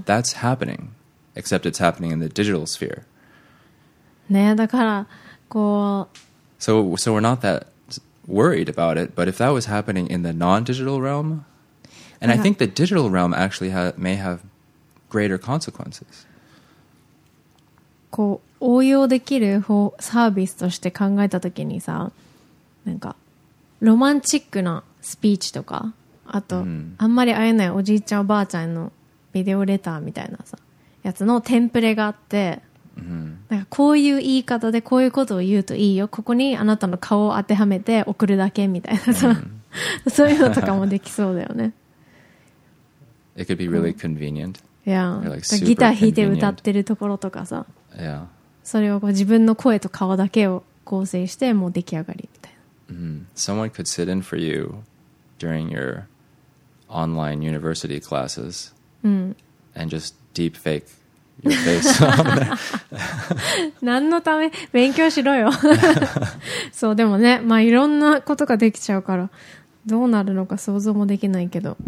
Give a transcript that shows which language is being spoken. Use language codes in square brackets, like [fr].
[en] That's happening, except it's happening in the digital sphere. [ja] ね、だからこう。 [en] So we're not that worried about it, but if that was happening in the non-digital realm, and I think the digital realm actually may have greater consequences. [ja] こう応用できるサービスとして考えたときにさ、なんかロマンチックなスピーチとか、あとあんまり会えないおじいちゃんおばあちゃんのビデオレターみたいなさやつのテンプレがあって、なんかこういう言い方でこういうことを言うといいよ、ここにあなたの顔を当てはめて送るだけみたいなさ、そういうのとかもできそうだよね。 [en] It could be really convenient. Yeah. Like、 [ja] ギター弾いて歌ってるところとかさ。 [en] Yeah. [ja] それをこう自分の声と顔だけを構成してもう出来上がりみたいな。 [en] Someone could sit in for you during your online university classes、and just deep fake your face. [ja] 何のため勉強しろよ。そうでもね、まあいろんなことができちゃうからどうなるのか想像もできないけど。